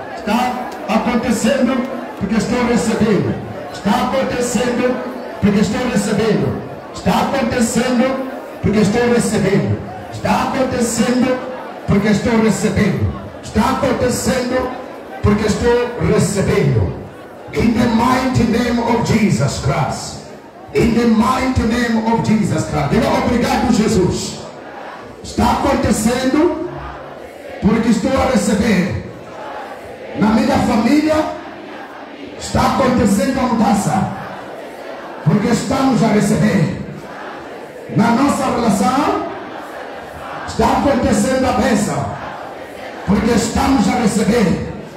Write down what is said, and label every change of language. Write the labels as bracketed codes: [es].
[pt] Está acontecendo porque estou recebendo. Está acontecendo porque estou recebendo. Está acontecendo porque estou recebendo. Está acontecendo porque estou recebendo. Está acontecendo porque estou recebendo. [en] In the mighty name of Jesus Christ. In the mighty name of Jesus Christ. [pt] Diga: obrigado, Jesus. Está acontecendo porque estou a receber. Na minha família está acontecendo a mudança porque estamos a receber. Na nossa relação está acontecendo a bênção porque estamos a receber.